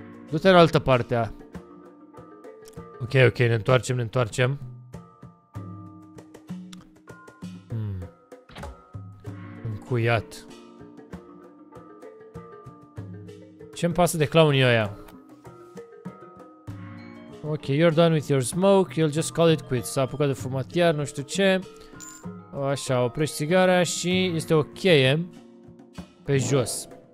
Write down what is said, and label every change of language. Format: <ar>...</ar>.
<ro>Du-te în altă parte. Ok, ok. Ne întoarcem. Încuiat. Ce-mi pasă de clownii ăia?</ro> <en>Ok, you're done with your smoke, you'll just call it quits.</en> <ro>S-a apucat de fumat iar, nu știu ce. Așa, oprești țigara și este o cheie pe jos.</ro>